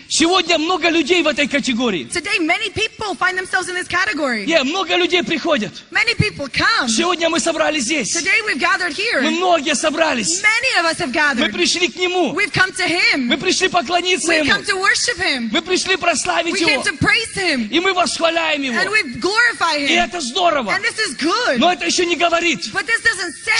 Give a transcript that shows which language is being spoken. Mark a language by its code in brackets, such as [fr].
[ru] сегодня много людей в этой категории, [en] today many people find themselves in this category, [ru] yeah, много людей приходят, [en] many people come, [ru] сегодня мы собрались здесь, [en] today we've gathered here, [ru] мы многие собрались, [en] many of us have gathered, [ru] мы пришли к нему, [en] we've come to him, [ru] мы пришли поклониться [en] we've [ru] ему, [en] come to worship him, [ru] мы пришли прославить [en] we [ru] его, [en] came to praise him, [ru] и мы восхваляем его, [en] and we glorify him, [ru] и это здорово, [en] and this is good, [ru] но это еще не говорит, [en] but this doesn't say,